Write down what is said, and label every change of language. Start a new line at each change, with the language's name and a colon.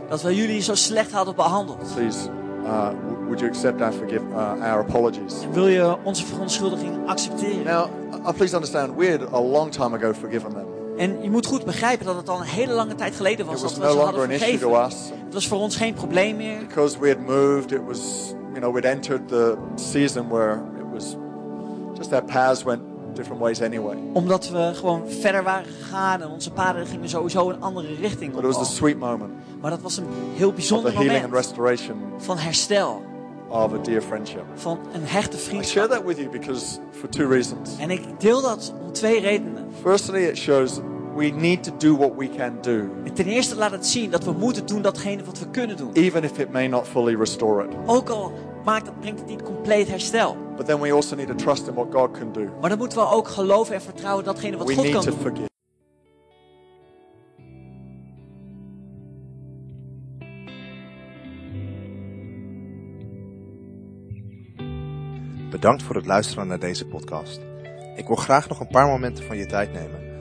Dutch: Dat we jullie zo slecht hadden behandeld.
English: Please, would you accept our our apologies?
Dutch: Wil je onze verontschuldiging accepteren?
English: Now, please understand, we had a long time ago forgiven them.
Dutch: En je moet goed begrijpen dat het al een hele lange tijd geleden was dat we ze hadden vergeven.
English: It was no longer an issue to us.
Dutch: Het was voor ons geen probleem meer.
English: Because we had moved, it was, you know, we'd entered the season where it was just our paths went different ways anyway.
Dutch: Omdat we gewoon verder waren gegaan en onze paden gingen sowieso een andere richting.
English: But it was a sweet moment.
Dutch: Maar dat was een heel bijzonder moment.
English: Of the healing and restoration.
Dutch: Van herstel.
English: Of a dear friendship.
Dutch: Van een hechte vriendschap.
English: I share that with you because for two reasons.
Dutch: En ik deel dat om twee redenen.
English: Firstly, it shows we need to do what we can do.
Dutch: Ten eerste laat het zien dat we moeten doen datgene wat we kunnen doen.
English: Even if it may not fully restore it.
Dutch: Ook al brengt het niet compleet herstel.
English: But then we also need to trust in what God can do.
Dutch: Maar dan moeten we ook geloven en vertrouwen datgene wat we God kan
English: to
Dutch: doen.
English: Forgive.
Dutch: Bedankt voor het luisteren naar deze podcast. Ik wil graag nog een paar momenten van je tijd nemen.